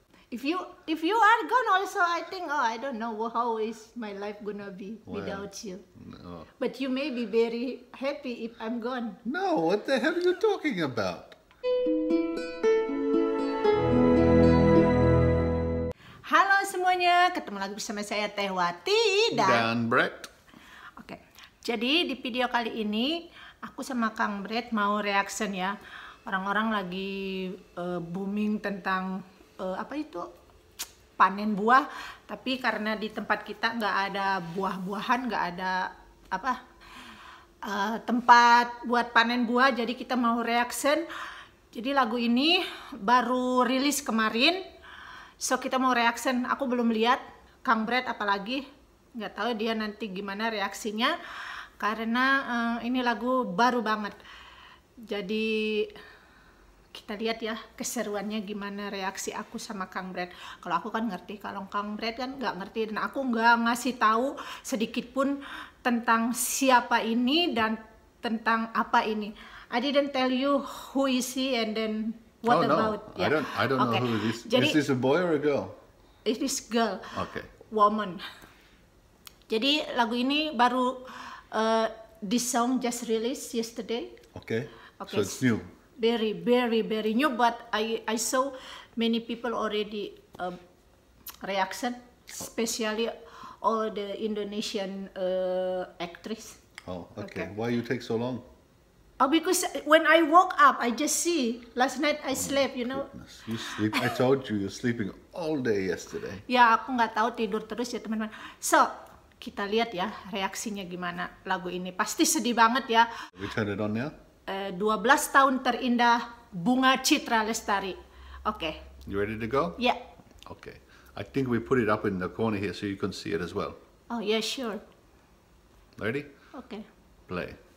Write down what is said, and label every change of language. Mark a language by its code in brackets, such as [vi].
[en] If you are gone also, I think, oh, I don't know how is my life gonna be without you. No. But you may be very happy if I'm gone. No, what the hell are you talking about? [id] Halo semuanya, ketemu lagi bersama saya Teh Watie dan Brett. Oke, jadi di video kali ini aku sama Kang Brett mau reaction ya. Orang-orang lagi booming tentang apa itu panen buah, tapi karena di tempat kita nggak ada buah-buahan, nggak ada apa tempat buat panen buah, jadi kita mau reaction. Jadi lagu ini baru rilis kemarin. So kita mau reaction, aku belum lihat Kang Brett apalagi nggak tahu dia nanti gimana reaksinya karena ini lagu baru banget. Jadi kita lihat ya keseruannya gimana reaksi aku sama Kang Brett. Kalau aku kan ngerti, kalau Kang Brett kan nggak ngerti dan aku nggak ngasih tahu sedikit pun tentang siapa ini dan tentang apa ini. [en] I didn't tell you who is he and then what oh, no. about? Yeah. I don't okay. know who this is. Is this a boy or a girl? It is girl. Okay. Woman. [id] Jadi lagu ini baru [en] this song just released yesterday. Okay. Okay. So it's new. Very, very, very new. But I saw many people already reaction, especially all the Indonesian actress. Oh, okay. Why you take so long? Oh, because when I woke up, I just see. Last night I slept, you know. You sleep. I told you, you're sleeping all day yesterday. [id] Ya, aku nggak tahu tidur terus ya teman-teman. So, kita lihat ya reaksinya gimana lagu ini. Pasti sedih banget ya. [en] We turn it on now. [id] 12 tahun terindah Bunga Citra Lestari. [en] Okay. You ready to go? Yeah. Okay. I think we put it up in the corner here so you can see it as well. Oh yeah, sure. Ready? Okay. Play.